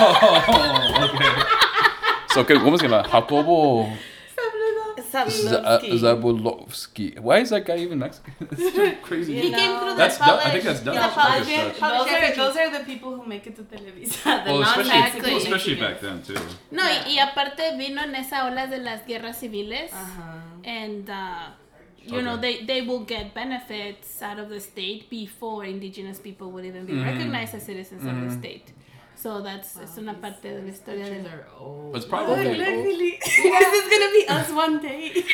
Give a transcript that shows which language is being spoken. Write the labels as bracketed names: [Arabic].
[English] Oh, okay. So, okay, what was going on? Jacobo... Zabludowski. Why is that guy even Mexican? It's crazy. He came through the college. I think that's Dutch. Those are the people who make it to Televisa. Well, especially back then, too. No, yeah. [Spanish] Y aparte vino en esa ola de las guerras civiles. Uh-huh. [English] And, you okay. know, they will get benefits out of the state before indigenous people would even be recognized as citizens of the state. So that's it's [Spanish] una parte de la historia de [English] their own. It's probably this is gonna be us one day.